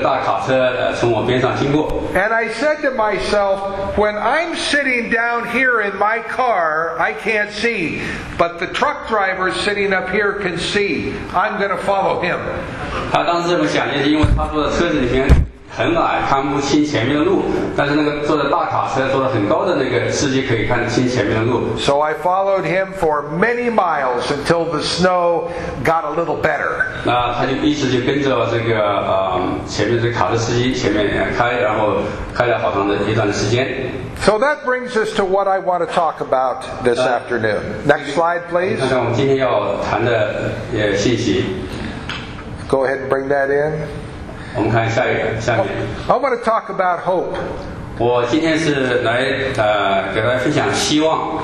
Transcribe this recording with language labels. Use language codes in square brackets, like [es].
[zh] 当我开得很慢的时候，一个大卡车从我边上经过。 [en] And I said to myself, when I'm sitting down here in my car, I can't see, but the truck driver sitting up here can see. I'm going to follow him. [zh] 他当时这么想，也是因为他坐的车子里面很矮，看不清前面的路。但是那个坐的大卡车，坐的很高的那个司机可以看清前面的路。 [en] So I followed him for many miles until the snow got a little better. [zh] 那他就一直就跟着这个前面这卡车司机前面开，然后开了好长的一段时间。 [en] So that brings us to what I want to talk about this afternoon. Next slide, please. [zh] 看看我们今天要谈的信息。 [en] Go ahead and bring that in. [zh] 我们看下一个，下面。 [en] I want to talk about hope. [zh] 我今天是来给大家分享希望。